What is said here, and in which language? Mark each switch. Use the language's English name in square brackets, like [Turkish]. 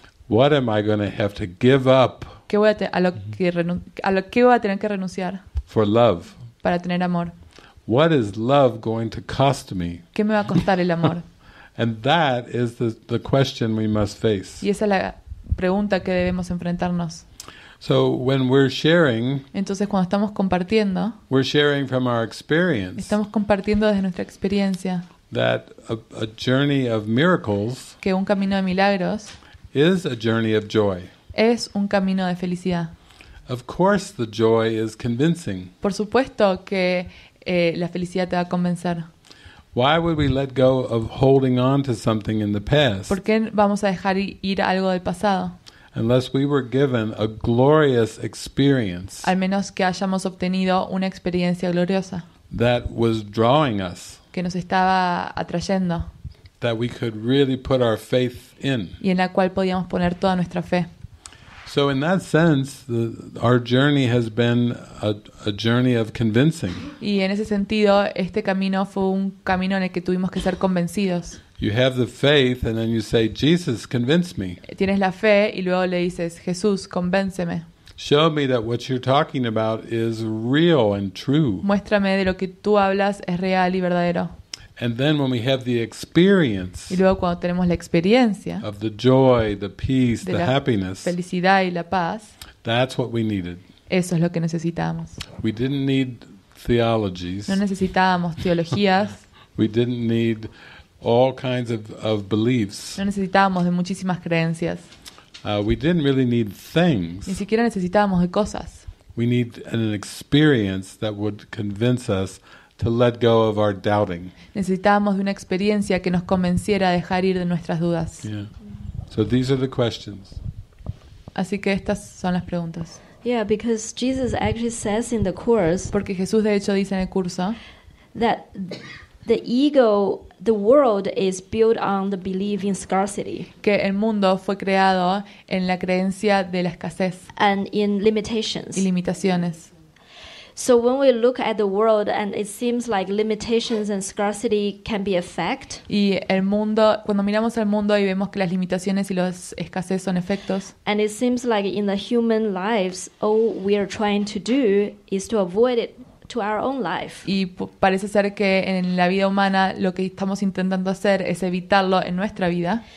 [English] What am I going to have to give up? [Spanish] ¿A lo que voy a tener que renunciar? [English] For love. [Spanish] Para tener amor. [English] What is love going to cost me? [Spanish] ¿Qué me va a costar el amor? [English] And that is the question we must face. [Spanish] Y esa es la pregunta que debemos enfrentarnos. [English] So when we're sharing, [Spanish] entonces cuando estamos compartiendo, [English] we're sharing from our experience. [Spanish] Estamos compartiendo desde nuestra experiencia. [English] That a journey of miracles, [Spanish] que un camino de milagros, [English] is a journey of joy. [Spanish] Es un camino de felicidad. [English] Of course, the joy is convincing. [Spanish] Por supuesto que la felicidad te va a convencer. [English] Why would we let go of holding on to something in the past? [Spanish] ¿Por qué vamos a dejar ir algo del pasado? [English] Unless we were given a glorious experience. [Spanish] Al menos que hayamos obtenido una experiencia gloriosa. [English] That was drawing us. [Spanish] Que nos estaba atrayendo. [English] That we could really put our faith in. [Spanish] Y en la cual podíamos poner toda nuestra fe. [English] So in that sense, our journey has been a journey of convincing. [Spanish] Y en ese sentido, este camino fue un camino en el que tuvimos que ser convencidos. [English] You have the faith, and then you say, "Jesus, convince me." [Spanish] Tienes la fe y luego le dices, Jesús, convénceme. [English] Show me that what you're talking about is real and true. [Spanish] Muéstrame de lo que tú hablas es real y verdadero. [English] And then when we have the experience. [Spanish] Y luego cuando tenemos la experiencia. [English] Of the joy, the peace, the happiness. [Spanish] De la felicidad y la paz. [English] That's what we needed. [Spanish] Eso es lo que necesitamos. [English] We didn't need theologies. [Spanish] No necesitábamos teologías. [English] We didn't need all kinds of beliefs. [Spanish] No necesitábamos de muchísimas creencias. [English] We didn't really need things. [Spanish] Ni siquiera necesitábamos de cosas. [English] We need an experience that would convince us to let go of our doubting. [Spanish] Necesitábamos de una experiencia que nos convenciera a dejar ir de nuestras dudas. [English] Yeah. So these are the questions. [Spanish] Así que estas son las preguntas. [English] Yeah, because Jesus actually says in the course. [Spanish] Porque Jesús de hecho dice en el curso [English] that the ego, the world is built on the belief in scarcity. [Spanish] Que el mundo fue creado en la creencia de la escasez. [English] And in limitations. [Spanish] Y limitaciones. [English] So when we look at the world and it seems like limitations and scarcity can be a fact. [Spanish] Y el mundo, cuando miramos al mundo y vemos que las limitaciones y las escasez son efectos. [English] And it seems like in the human lives, all we are trying to do is to avoid it to our own life. [Spanish] Y parece ser que en la vida humana lo que estamos intentando hacer es evitarlo en nuestra vida.